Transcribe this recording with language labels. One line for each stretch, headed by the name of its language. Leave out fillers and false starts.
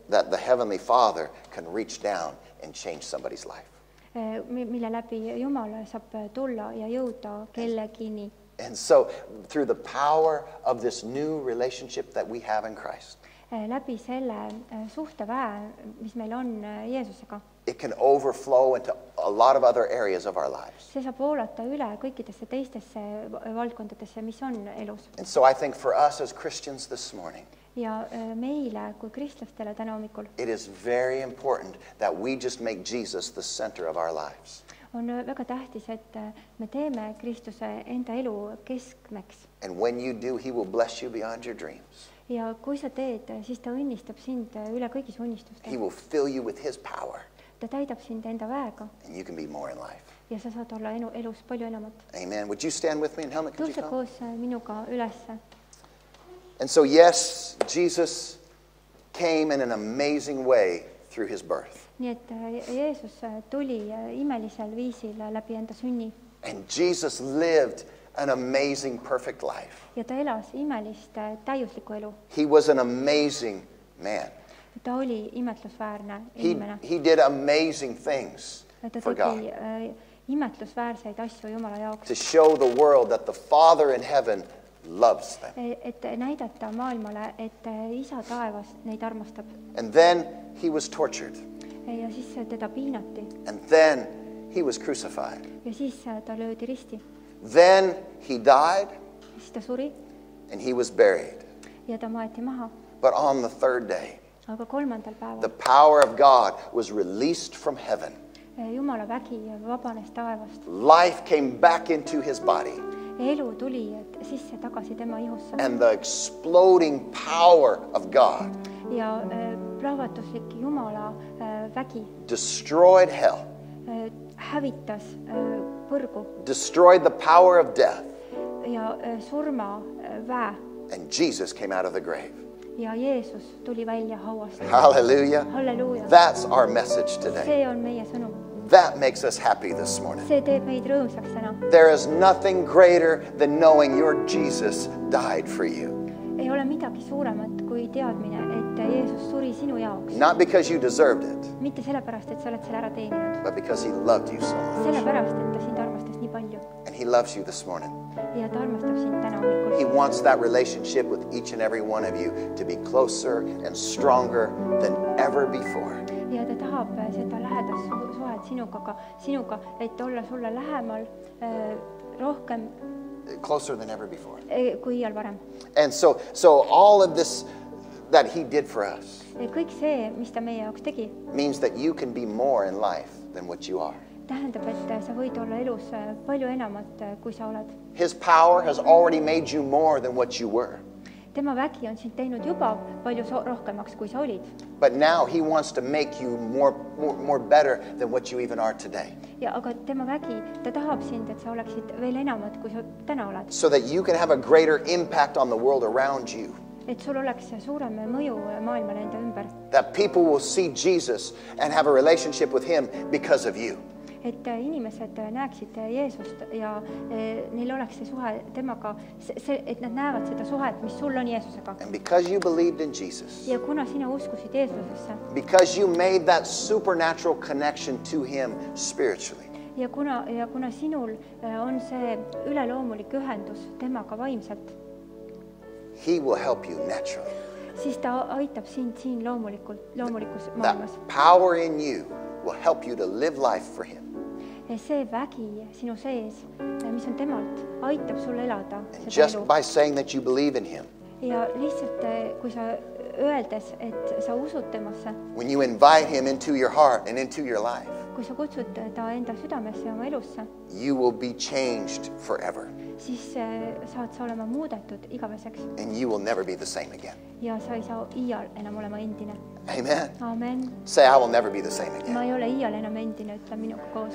English: That the Heavenly Father can reach down and change somebody's life.
Estonian: Mille läbi Jumal saab tulla ja jõuda kellegi nii.
English: And so through the power of this new relationship that we have in Christ.
Estonian: Läbi selle suhte väe, mis meil on Jeesusega.
English: It can overflow into a lot of other areas of our lives.
Estonian: See saab voolata üle kõikidesse teistesse valdkondadesse, mis on elus.
English: And so I think for us as Christians this morning,
Estonian: ja meile kui kristlastele täna hommikul,
English: it is very important that we just make Jesus the center of our lives.
Estonian: On väga tähtis, et me teeme Kristuse enda elu keskmeks.
English: And when you do, he will bless you beyond your dreams.
Estonian: Ja kui sa teed, siis ta õnnistab sind üle kõigis unistuste.
English: He will fill you with his power.
Estonian: Ta täidab sind enda väega.
English: And you can be more in life.
Estonian: Ja sa saad olla elus palju enamat.
English: Amen. Would you stand with me and Helmut, could you
Estonian: koos minuga ülesse.
English: And so yes, Jesus came in an amazing way through his birth.
Estonian: Nii et Jeesus tuli imelisel viisil läbi enda sünni.
English: And Jesus lived an amazing perfect life.
Estonian: Ja ta elas imelist täiuslikku elu.
English: He was an amazing man.
Estonian: Ta oli imetlusväärne inimene.
English: He did amazing things for God.
Estonian: Imetlusväärseid asju Jumala jaoks.
English: To show the world that the Father in heaven loves them.
Estonian: Et näidata maailmale, et isa taevas neid armastab.
English: And then he was tortured.
Estonian: Ja siis teda piinati.
English: And then he was crucified.
Estonian: Ja siis ta löödi risti.
English: Then he died.
Estonian: Siis ta suri.
English: And he was buried.
Estonian: Ja ta maeti maha.
English: But on the third day,
Estonian: aga kolmandal päeval,
English: the power of God was released from heaven.
Estonian: Jumala vägi vabanes taevast.
English: Life came back into his body.
Estonian: Elu tuli sisse tagasi tema ihusse.
English: And the exploding power of God.
Estonian: Ja plahvatuslik Jumala vägi.
English: Destroyed hell.
Estonian: Hävitas põrgu.
English: Destroyed the power of death.
Estonian: Ja surma väe.
English: And Jesus came out of the grave.
Estonian: Ja Jeesus tuli välja hauast.
English: Hallelujah.
Estonian: Hallelujah.
English: That's our message today.
Estonian: See on meie sõnum.
English: That makes us happy this morning.
Estonian: See teeb meid rõõmsaks täna.
English: There is nothing greater than knowing your Jesus died for you.
Estonian: Ei ole midagi suuremat kui teadmine, et Jeesus suri sinu jaoks.
English: Not because you deserved it.
Estonian: Mitte sellepärast, et sa oled selle ära teeninud.
English: But because he loved you so much.
Estonian: Sellepärast, et ta sind armastas nii palju.
English: And he loves you this morning.
Estonian: Ja ta armastab sind täna.
English: He wants that relationship with each and every one of you to be closer and stronger than ever before.
Estonian: Ja ta tahab seda lähedas suhet sinuga, et olla sulle lähemal rohkem.
English: Closer than ever before.
Estonian: Kui iial varem.
English: And so all of this that he did for us.
Estonian: Kõik see, mis ta meie jaoks tegi.
English: Means that you can be more in life than what you are.
Estonian: Tähendab, et sa võid olla elus palju enamat, kui sa oled.
English: His power has already made you more than what you were.
Estonian: Tema vägi on sind teinud juba palju rohkemaks, kui sa olid.
English: But now he wants to make you more better than what you even are today.
Estonian: Ja aga tema vägi, ta tahab sind, et sa oleksid veel enamat, kui sa täna oled.
English: So that you can have a greater impact on the world around you.
Estonian: Et sul oleks suurem mõju maailmale enda ümber.
English: That people will see Jesus and have a relationship with him because of you.
Estonian: Et inimesed näeksid Jeesust ja neil oleks see suhe temaga, et nad näevad seda suhet, mis sul on Jeesusega.
English: And because you believed in Jesus.
Estonian: Ja kuna sina uskusid Jeesusesse.
English: Because you made that supernatural connection to him spiritually.
Estonian: Ja kuna sinul on see üleloomulik ühendus temaga vaimselt.
English: He will help you naturally.
Estonian: Siis ta aitab sind siin loomulikult, loomulikus maailmas.
English: That power in you will help you to live life for him.
Estonian: See vägi sinu sees, mis on temalt, aitab sul elada.
English: Just by saying that you believe in him.
Estonian: Ja lihtsalt, kui sa öeldes, et sa usud temasse.
English: When you invite him into your heart and into your life.
Estonian: Kui sa kutsud ta enda südamesse ja oma elusse.
English: You will be changed forever.
Estonian: Siis saad sa olema muudetud igaveseks.
English: And you will never be the same again.
Estonian: Ja sa ei saa iial enam olema endine.
English: Amen.
Estonian: Amen.
English: Say, I will never be the same again.
Estonian: Ma ei ole iial enam endine, ütle minuga koos.